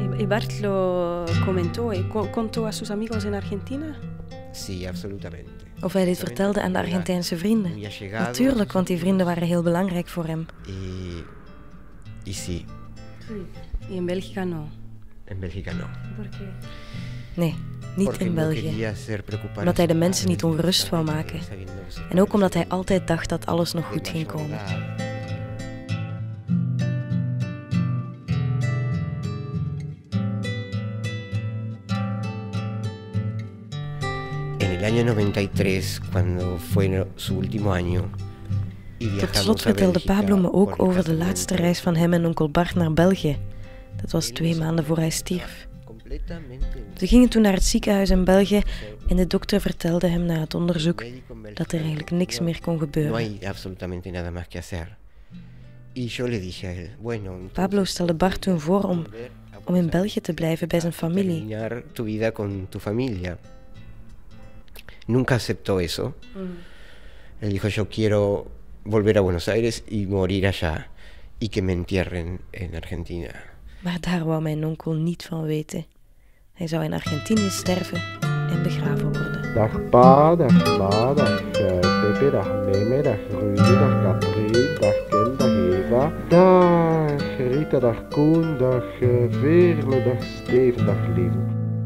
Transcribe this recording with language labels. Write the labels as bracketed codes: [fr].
[es] Bart lo comentó y contó a sus amigos en Argentina. Sí, absolutamente. [nl] Of hij dit vertelde aan de Argentijnse vrienden. Natuurlijk, want die vrienden waren heel belangrijk voor hem. [es] Y sí. Y en Bélgica no. En Bélgica no. ¿Por qué? [nl] Nee, niet in België. Omdat hij de mensen niet ongerust wou maken. En ook omdat hij altijd dacht dat alles nog goed ging komen. [es] En el año 93, cuando fue su último año, y viajamos. [nl] Tot slot vertelde Pablo me ook over de laatste reis van hem en onkel Bart naar België. Dat was 2 maanden voor hij stierf. Ze gingen toen naar het ziekenhuis in België en de dokter vertelde hem na het onderzoek dat er eigenlijk niks meer kon gebeuren. [es] No hay absolutamente nada más que hacer. Y yo le dije, bueno, [nl] Pablo stelde Bart toen voor om in België te blijven bij zijn familie. [es] Terminar tu vida con tu familia. Nunca aceptó eso. Él dijo, yo quiero volver a Buenos Aires y morir allá y que me entierren en Argentina. [nl] Maar daar wou mijn onkel niet van weten. Hij zou in Argentinië sterven en begraven worden. Dag pa, dag ma, dag Pepe, dag Meme, dag Rudy, dag Capri, dag Ken, dag Eva. Dag Rita, dag Koen, dag Veerle, dag Steven, dag Lien.